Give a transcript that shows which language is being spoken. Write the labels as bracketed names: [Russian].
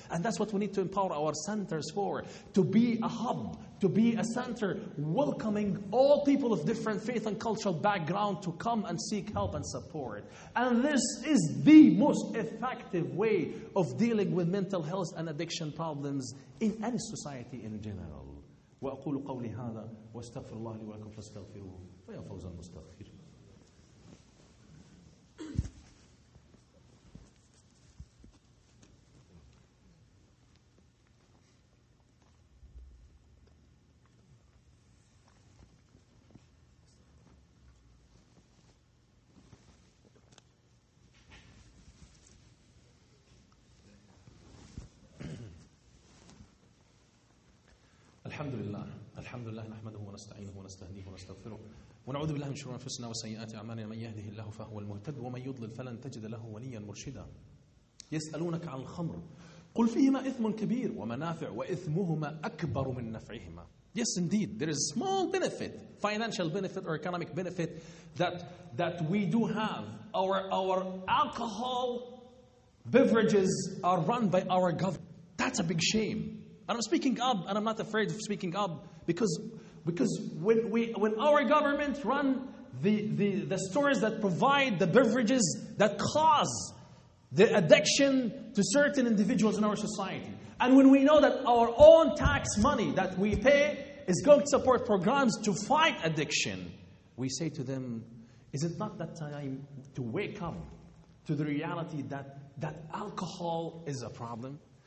[English] And that's what we need to empower our centers for. To be a hub, to be a center, welcoming all people of different faith and cultural background to come and seek help and support. And this is the most effective way of dealing with mental health and addiction problems in any society in general. [Arabic] وأقول قولي هذا واستغفر الله لي ولكم فاستغفروه فيا فوز المستغفرين. الحمد لله الحمد لله نحمده ونستعينه ونستهديه ونستغفره ونعوذ بالله من شرور انفسنا وسيئات اعمالنا من يهده الله فهو المهتد ومن يضلل فلن تجد له وليا مرشدا. يسالونك عن الخمر قل فيهما اثم كبير ومنافع واثمهما اكبر من نفعهما. [English] Yes indeed, there is small benefit, financial benefit or economic benefit that we do have. Our alcohol beverages are run by our government. That's a big shame. And I'm speaking up, and I'm not afraid of speaking up, because when our government run the stores that provide the beverages that cause the addiction to certain individuals in our society, and when we know that our own tax money that we pay is going to support programs to fight addiction, we say to them, is it not that time to wake up to the reality that alcohol is a problem?